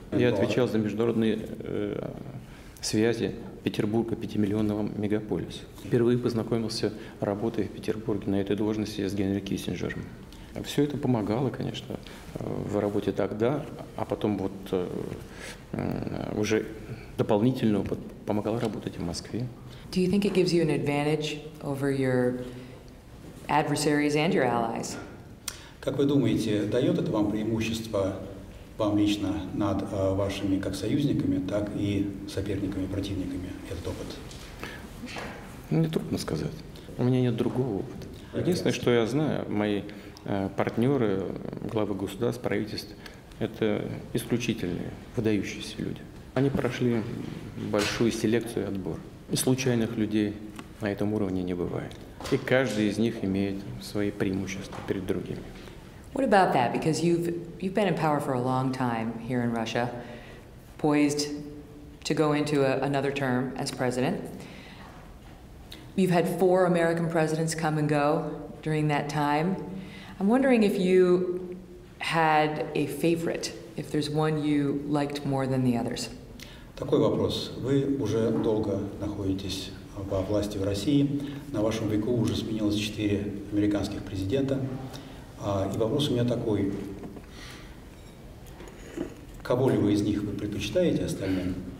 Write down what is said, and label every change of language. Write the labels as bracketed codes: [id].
[ru] Я отвечал за международные связи Петербурга, 5-миллионного мегаполиса. Впервые познакомился, работая в Петербурге на этой должности, с Генри Киссинджером. Все это помогало, конечно, в работе тогда, а потом вот уже дополнительный опыт помогал работать в Москве. [en] Do you think it gives you an advantage over your adversaries and your allies? [ru] Как вы думаете, дает это вам преимущество, вам лично, над вашими как союзниками, так и соперниками, противниками, этот опыт? Мне трудно сказать. У меня нет другого опыта. Единственное, что я знаю, мои партнеры, главы государств, правительств, это исключительные, выдающиеся люди. Они прошли большую селекцию и отбор. И случайных людей на этом уровне не бывает. И каждый из них имеет свои преимущества перед другими. [en] What about that? Because you've been in power for a long time here in Russia, poised to go into another term as president. You've had four American presidents come and go during that time. I'm wondering if you had a favorite, if there's one you liked more than the others. [ru] Такой вопрос. Вы уже долго находитесь во власти в России. На вашем веку уже сменилось 4 американских президента. И вопрос у меня такой, кого ли вы из них вы предпочитаете остальным?